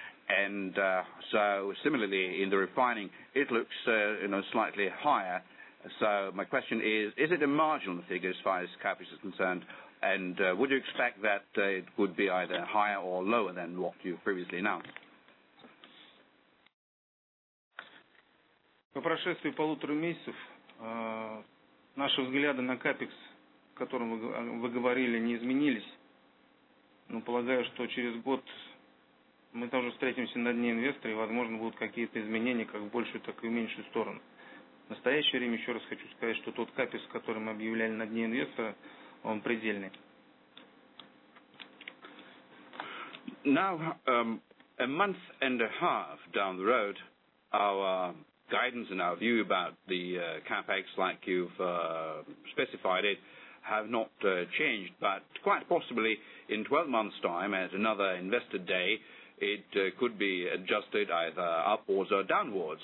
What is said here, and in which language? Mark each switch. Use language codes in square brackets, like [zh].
[en] And so similarly in the refining, it looks slightly higher So my question is it a marginal figure as far as CapEx is concerned? And would you expect that it would be either higher or lower than what you previously announced? [ru] По прошествии полутора месяцев наши взгляды на капекс, о котором вы говорили, не изменились. Но полагаю, что через год мы тоже встретимся на дне инвестора, и, возможно, будут какие-то изменения как в большую, так и в меньшую сторону. В настоящее время, еще раз хочу сказать, что тот капекс, который мы объявляли на дне инвестора, он предельный. [en] Now, a month and a half down the road, guidance and our view about the CapEx, like you've specified it, have not changed, but quite possibly in 12 months' time, at another investor day, it could be adjusted either upwards or downwards.